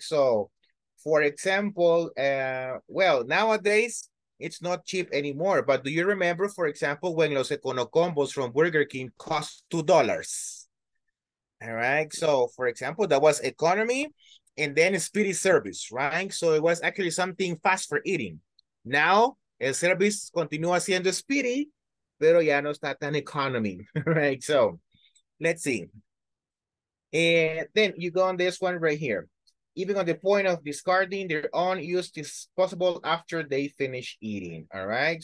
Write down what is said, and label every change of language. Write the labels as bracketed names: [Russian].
[English] So for example, well, nowadays it's not cheap anymore. But do you remember, for example, when los econocombos from Burger King cost $2? All right. So for example, that was economy and then speedy service, right? So it was actually something fast for eating. [Spanish] Now el service continúa siendo speedy, pero ya no está tan [English] economy, right? So let's see. And then you go on this one right here. Even on the point of discarding their own use disposable after they finish eating, all right?